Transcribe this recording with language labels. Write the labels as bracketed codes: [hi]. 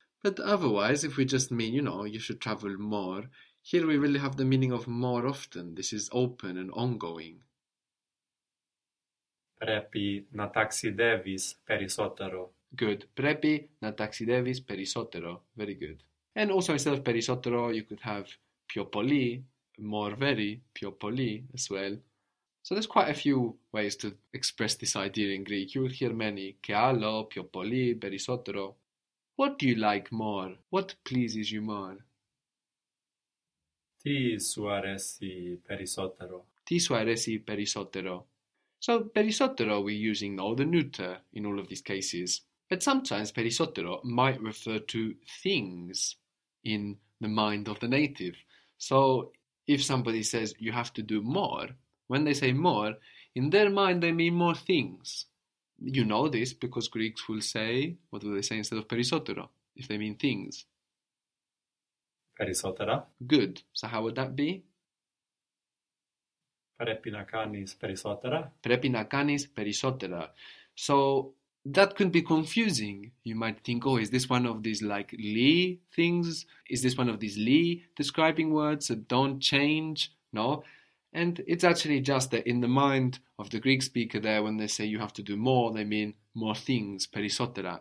[en] But otherwise, if we just mean, you know, you should travel more, here we really have the meaning of more often. This is open and ongoing. [el] Πρέπει να ταξιδεύεις περισσότερο. [en] Good. [el] Πρέπει να ταξιδεύεις περισσότερο. [en] Very good. And also instead of περισσότερο, you could have [el] πιο πολύ, [en] more very, πιο πολύ as well. So there's quite a few ways to express this idea in Greek. You will hear many. [el] Και άλλο, πιο πολύ, περισσότερο. [en] What do you like more? What pleases you more? [el] Τι σου αρέσει περισσότερο. Τι σου αρέσει περισσότερο. [en] So, περισσότερο, we're using now the neuter in all of these cases. But sometimes περισσότερο might refer to things in the mind of the native. So, if somebody says you have to do more, when they say more, in their mind they mean more things. You know this because Greeks will say, what do they say instead of περισσότερο, if they mean things? [el] Περισσότερα. [en] Good. So how would that be? [el] Πρέπει να κάνεις περισσότερα. Πρέπει να κάνεις περισσότερα. [en] So that could be confusing. You might think, oh, is this one of these like li things? Is this one of these li describing words that don't change? No. And it's actually just that in the mind of the Greek speaker there, when they say you have to do more, they mean more things, περισσότερα.